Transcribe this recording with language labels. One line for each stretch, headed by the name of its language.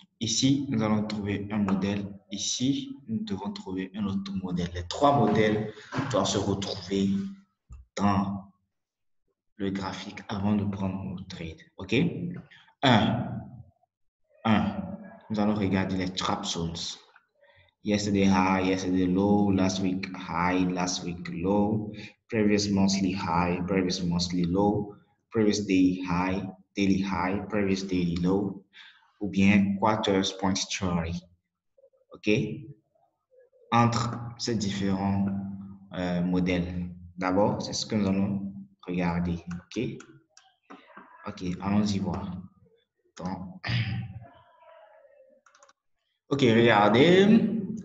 French: Ici, nous allons trouver un modèle. Ici, nous devons trouver un autre modèle. Les trois modèles doivent se retrouver dans le graphique avant de prendre notre trade. OK? 1. Nous allons regarder les trap zones.
English: Yesterday high, yesterday low, last week high, last week low, previous monthly low, previous day high, daily high, previous daily low, ou bien quarters point theory. OK?
French: Entre ces différents modèles. D'abord, c'est ce que nous allons regarder. OK, allons-y voir. Donc, OK, regardez.